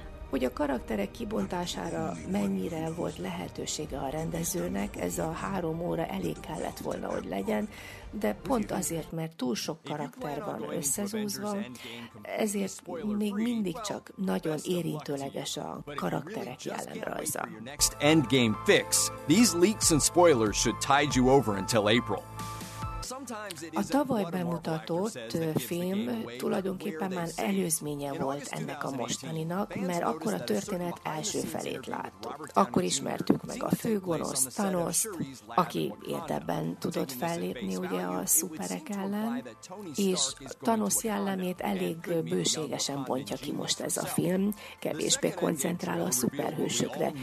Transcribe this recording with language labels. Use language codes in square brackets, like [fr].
[hu] Hogy a karakterek kibontására mennyire volt lehetősége a rendezőnek, ez a 3 óra elég kellett volna, hogy legyen, de pont azért, mert túl sok karakter van összezúzva, ezért még mindig csak nagyon érintőleges a karakterek jellemrajza. [en] Endgame fix. These leaks and spoilers should tide you over until April. [hu] A tavaly bemutatott film tulajdonképpen már előzménye volt ennek a mostaninak, mert akkor a történet első felét láttuk. Akkor ismertük meg a főgonosz Thanost, aki érdemben tudott fellépni ugye a szuperek ellen, és Thanos jellemét elég bőségesen bontja ki most ez a film, kevésbé koncentrál a szuperhősökre.